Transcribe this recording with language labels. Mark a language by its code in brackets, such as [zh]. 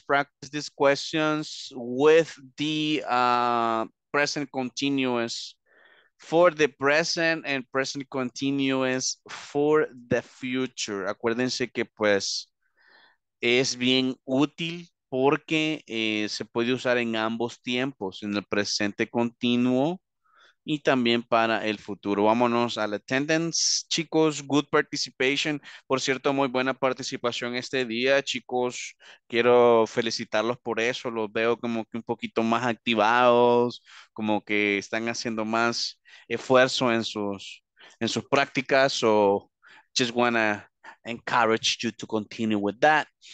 [en] Practice these questions with the present continuous for the present and present continuous for the future. [es] Acuérdense que, pues, es bien útil porque se puede usar en ambos tiempos, en el presente continuo y también para el futuro. Vámonos al attendance, chicos. [en] Good participation. [es] Por cierto, muy buena participación este día, chicos. Quiero felicitarlos por eso. Los veo como que un poquito más activados, como que están haciendo más esfuerzo en sus prácticas. [en] So, just wanna encourage you to continue with that.